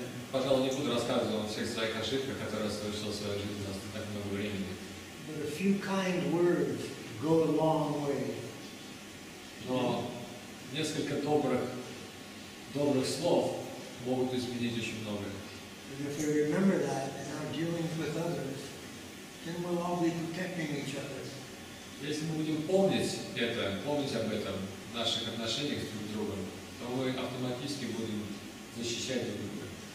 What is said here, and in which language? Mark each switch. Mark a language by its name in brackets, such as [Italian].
[Russian] Пожалуй, не буду рассказывать о всех своих ошибках, которые я совершил в своей жизни, у нас не так много времени. [English] But a few kind words go a long way. [Russian] Но несколько добрых слов могут изменить очень многое. [English] And if we remember that in our dealings with others, then we'll all be protecting each other. [Russian] Если мы будем помнить об этом в наших отношениях друг с другом, то мы автоматически будем защищать друг друга.